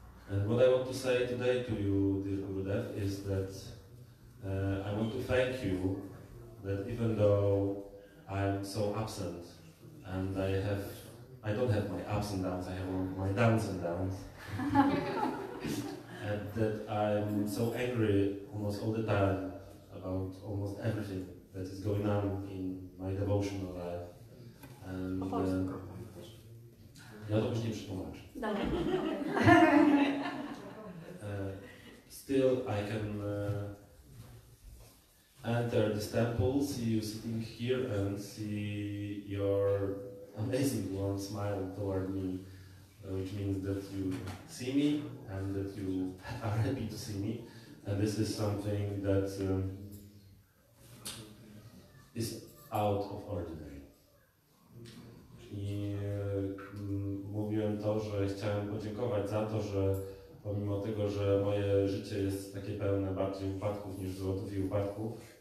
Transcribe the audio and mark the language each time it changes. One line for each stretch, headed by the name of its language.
English: And what I want to say today to you, dear Gurudev, is that I want to thank you that even though I'm so absent and I don't have my ups and downs, I have my downs and downs. And that I'm so angry almost all the time about almost everything that is going on in my devotional life.
Polish: And ja to później przetłumaczę.
English: Still I can enter this temple, see you sitting here and see your amazing warm smile toward me, which means that you see me and that you are happy to see me. And this is something that is out of ordinary.
Polish: I mówiłem to, że chciałem podziękować za to, że pomimo tego, że moje życie jest takie pełne bardziej upadków niż złotów i upadków,